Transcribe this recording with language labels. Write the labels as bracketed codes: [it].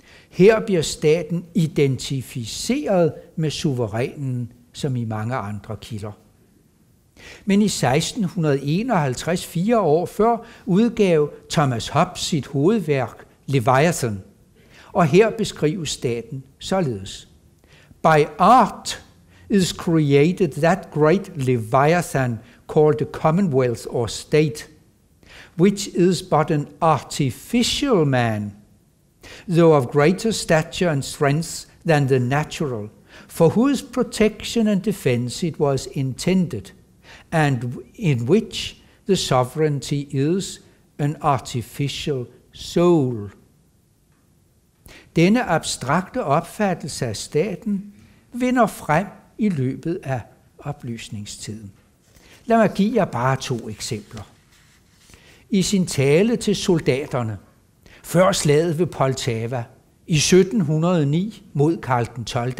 [da] Her bliver staten identificeret med suverænen, som i mange andre kilder. Men i 1651, fire år før, udgav Thomas Hobbes sit hovedværk Leviathan. Og her beskrives staten således. [en] By art is created that great Leviathan called the Commonwealth or State, which is but an artificial man, though of greater stature and strength than the natural, for whose protection and defense it was intended, and in which the sovereignty is an artificial soul. [da] Denne abstrakte opfattelse af staten vinder frem i løbet af oplysningstiden. Lad mig give jer bare to eksempler. i sin tale til soldaterne før slaget ved Poltava i 1709 mod Karl den 12.